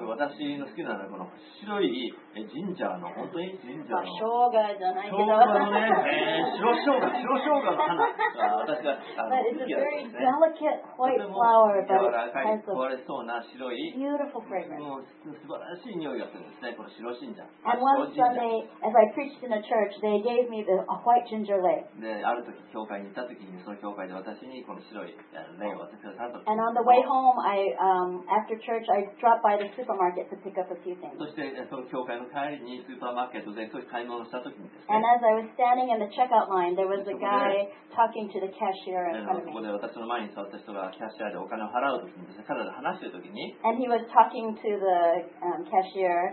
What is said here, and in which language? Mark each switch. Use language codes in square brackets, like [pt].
[ja] 私の好きなのはこの白いジンジャーの、本当にジンジャーの。生姜じゃないけど。生姜のね、白生姜の花。私が好きですね。 [en] But it's a very delicate white flower, but it's a kind of beautiful fragrance. [ja] もう素晴らしい匂いがするんですね、この白ジンジャー。 [en] And one Sunday, as I preached in a church, theyGave me a white ginger leis. [ja] である時教会に行った時にその教会で私にこの白いレイを [en] And on the way home, I, after church, I dropped by the supermarket to pick up a few things. And as I was standing in the checkout line, there was a guy talking to the cashier in front of me. And he was talking to the cashier.